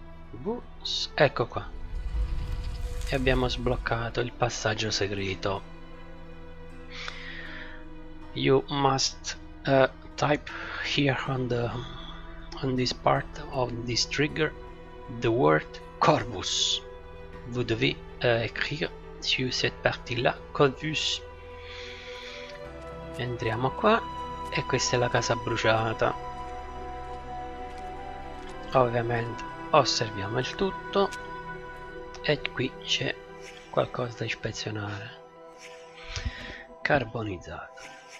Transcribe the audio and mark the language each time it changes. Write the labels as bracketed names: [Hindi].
[Italian] Corvus, ecco qua, e abbiamo sbloccato il passaggio segreto. [English] You must type here on this part of this trigger the word Corvus. [French] Vous devez écrire sur cette partie-là Corvus. [Italian] Entriamo qua e questa è la casa bruciata. Ovviamente osserviamo il tutto e qui c'è qualcosa da ispezionare. Carbonizzato.